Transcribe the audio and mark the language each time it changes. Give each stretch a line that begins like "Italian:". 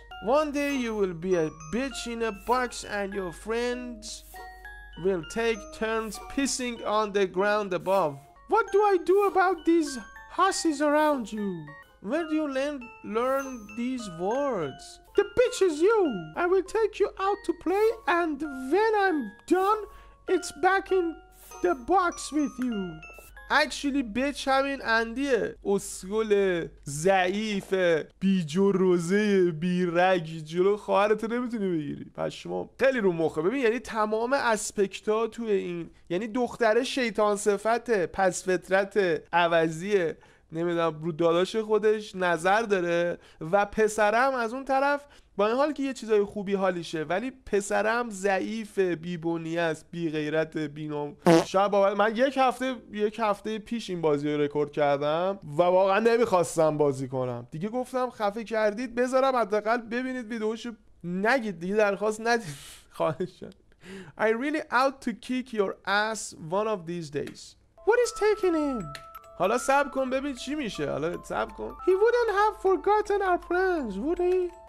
English: One day you will be a bitch in a box and your friends will take turns pissing on the ground above. What do I do about these hussies around you? Where do you learn these words? The bitch is you. I will take you out to play and when I'm done, it's back in the box with you. Actually bitch
Persian: همین اندیه، اسکل ضعیف بی جروزه بی رگ، جلو خواهرت نمیتونی بگیری. پس شما خیلی رو مخه. ببین یعنی تمام اسپکت ها توی این، یعنی دختره شیطان صفته، پس فطرت عوضیه، نمیدونم رو داداش خودش نظر داره، و پسرم از اون طرف با این حال که یه چیزای خوبی حالیشه ولی پسرم ضعیفه، بی بنیه است، بی غیرت، بی نام. شب اول من یک هفته پیش این بازی رو رکورد کردم و واقعا نمیخواستم بازی کنم دیگه، گفتم خفه کردید بذارم حداقل ببینید ویدیوشو، نگید دیگه، درخواست ندید. خواهشم.
English: I really out to kick your ass one of these days. What is taking him?
Persian: حالا صبر کن ببین چی میشه. حالا صبر کن.
English: He wouldn't have forgotten our plans, would he?